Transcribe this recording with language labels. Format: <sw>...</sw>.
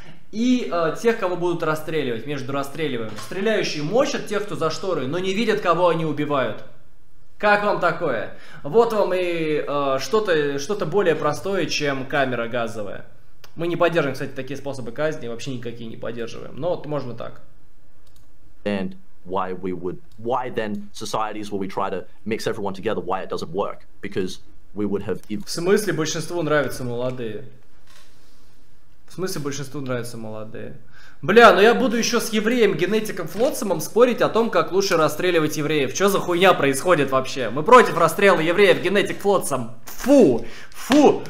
<ru>и тех, кого будут расстреливать, между расстреливаем. Стреляющие мочат тех, кто за шторы, но не видят, кого они убивают. Как вам такое? Вот вам и что-то более простое, чем камера газовая. Мы не поддерживаем, кстати, такие способы казни, вообще никакие не поддерживаем. Но вот можно так.</ru> <en>And why we would, why then societies where we try to mix everyone together, why it doesn't work? Because we would have.</en> <ru>В смысле, большинству нравятся молодые. В смысле, большинству нравятся молодые. Бля, ну я буду еще с евреем, генетиком Флотсомом спорить о том, как лучше расстреливать евреев. Что за хуйня происходит вообще? Мы против расстрела евреев, генетик Флотсом. Фу! Фу!</ru>